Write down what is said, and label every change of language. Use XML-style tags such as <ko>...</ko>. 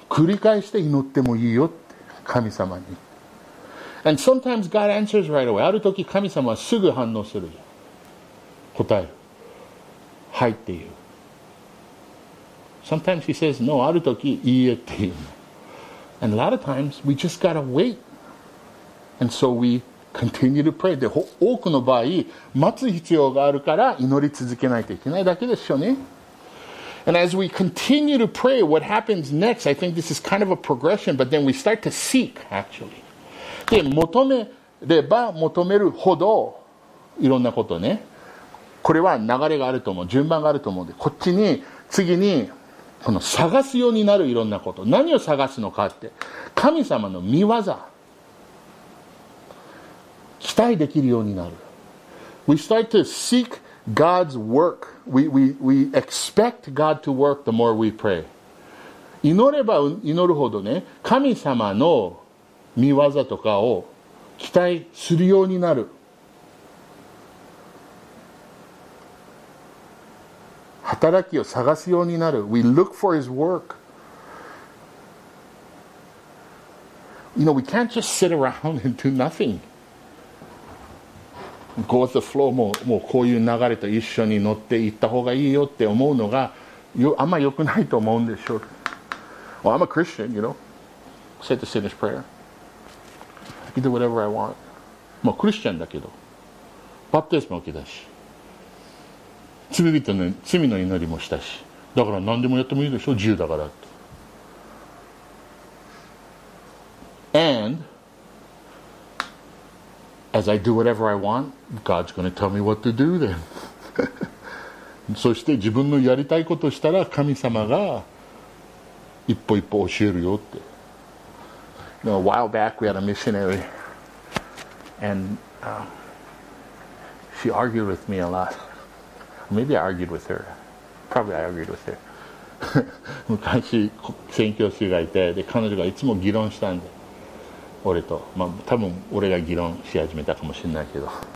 <ja>繰り返して祈ってもいいよって。神様に。</ja> <en>And sometimes God answers right away.</en> <ja>ある時神様はすぐ反応するよ。答える。はいっていう。</ja> <en>Sometimes he says no.</en> <ja>ある時いいえっていう。</ja> <en>And a lot of times we just gotta wait. And so we continue to pray.</en> <ja>で、多くの場合、待つ必要があるから祈り続けないといけないだけですよね。</ja> <en>And as we continue to pray, what happens next, I think this is kind of a progression, but then we start to seek, actually.</en> <ja>で、求めれば求めるほど、いろんなことね。これは流れがあると思う。順番があると思うんで、こっちに、次に、この探すようになるいろんなこと。何を探すのかって。神様の御業。期待できるようになる。</ja> <en>We start to seek God's work. We expect God to work the more we pray.</en> <ja>祈れば祈るほどね、神様の御業とかを期待するようになる。働きを探すようになる。</ja> <en>We look for his work. You know, we can't just sit around and do nothing. Go with the flow.</en> <ja>もうこういう流れと一緒に乗って行った方がいいよって思うのがあんま良くないと思うんでしょう。</ja> <en>Well, I'm a Christian, you know. Said the sinner's prayer. I can do whatever I want.</en> <ja>もうクリスチャンだけど。バプテスも受けたし。罪人の罪の祈りもしたし、だから何でもやってもいいでしょ、自由だからと。</ja> <en>And as I do whatever I want, God's going to tell me what to do then.</en> <ja>そして自分のやりたいことをしたら神様が一歩一歩教えるよって。</ja> <en>You know, a while back we had a missionary, and she argued with me a lot. Maybe I argued with her. Probably I argued with her.</en> <ja>昔、宣教師がいて、で、彼女がいつも議論したんで、俺と。まあ、多分俺が議論し始めたかもしれないけど。</ja>